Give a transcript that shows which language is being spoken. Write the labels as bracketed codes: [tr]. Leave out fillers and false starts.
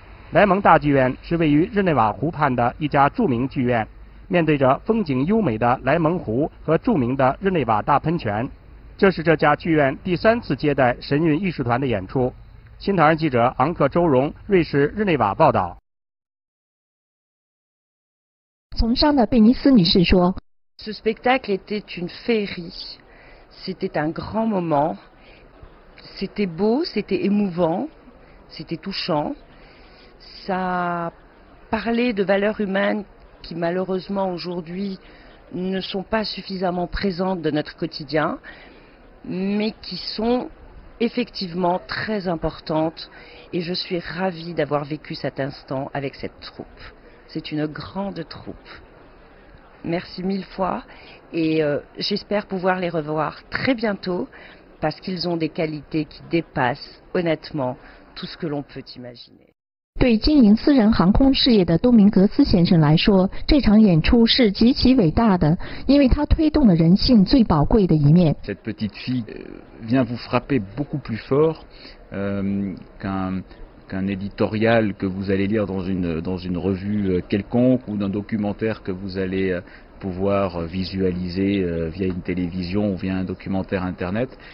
[zh] 莱蒙大剧院是位于日内瓦湖畔的一家著名剧院，面对着风景优美的莱蒙湖和著名的日内瓦大喷泉。这是这家剧院第三次接待神韵艺术团的演出。新唐人记者昂克周荣，瑞士日内瓦报道。从上的贝尼斯女士说 [fr] ：“Ce spectacle était une féerie. C'était un grand moment. C'était beau, c'était émouvant, c'était touchant.” Ça parlait de valeurs humaines qui malheureusement aujourd'hui ne sont pas suffisamment présentes dans notre quotidien, mais qui sont effectivement très importantes. Et je suis ravie d'avoir vécu cet instant avec cette troupe. C'est une grande troupe. Merci mille fois et j'espère pouvoir les revoir très bientôt parce qu'ils ont des qualités qui dépassent honnêtement tout ce que l'on peut imaginer. [zh] 对经营私人航空事业的多明格斯先生来说，这场演出是极其伟大的，因为它推动了人性最宝贵的一面。 [fr] Cette petite fille vient vous frapper beaucoup plus fort qu'un éditorial que vous allez lire dans une revue quelconque ou d'un documentaire que vous allez pouvoir visualiser via une télévision ou via un documentaire internet.